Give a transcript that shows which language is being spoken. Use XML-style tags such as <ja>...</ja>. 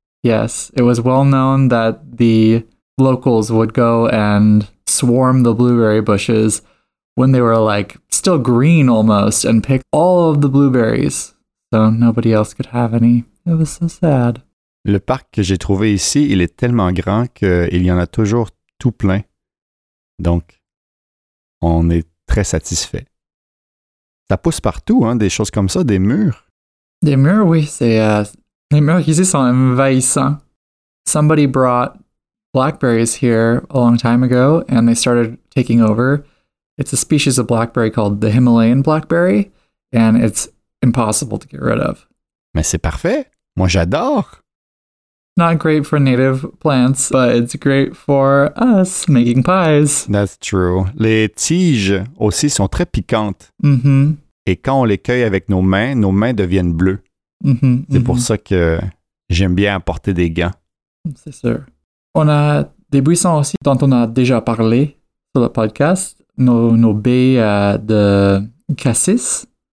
<en>Yes, it was well known that the locals would go and swarm the blueberry bushes when they were like still green almost and pick all of the blueberries. So nobody else could have any. It was so sad.</en> <fr>Le parc que j'ai trouvé ici, il est tellement grand qu'il y en a toujours tout plein. Donc, on est très satisfait. Ça pousse partout, hein, des choses comme ça, des murs. Des murs, oui. Les murs ici sont envahissants.</fr> <en>Somebody brought blackberries here a long time ago and they started taking over. It's a species of blackberry called the Himalayan blackberry and it's impossible to get rid of.</en> <fr>Mais c'est parfait. Moi, j'adore.</fr> <en>Not great for native plants, but it's great for us making pies. That's true.</en> <fr>Les tiges aussi sont très piquantes. Mm-hmm. Et quand on les cueille avec nos mains deviennent bleues. Mm-hmm, c'est mm-hmm. pour ça que j'aime bien apporter des gants. C'est sûr. On a des buissons aussi dont on a déjà parlé sur le podcast. Nos baies de cassis.</fr>